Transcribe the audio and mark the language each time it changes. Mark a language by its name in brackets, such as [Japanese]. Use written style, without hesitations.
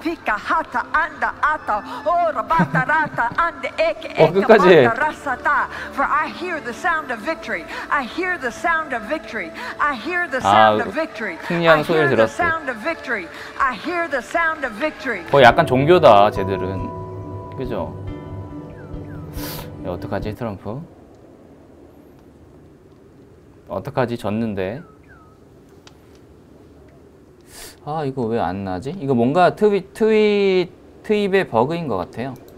[English] 가하타 안다 아타 오라바타라타 안데 에케 에케 바타라사타. For I hear the sound of victory. I hear the sound of victory. I hear the sound of victory. [Korean] 승리하는 소리를 들었어. [English] I hear the sound of victory. [Korean] 거의 약간 종교다 쟤들은. 그죠? 어떡하지 트럼프? 어떡하지 졌는데? 아, 이거 왜 안 나지? 이거 뭔가 트윗의 버그인 것 같아요.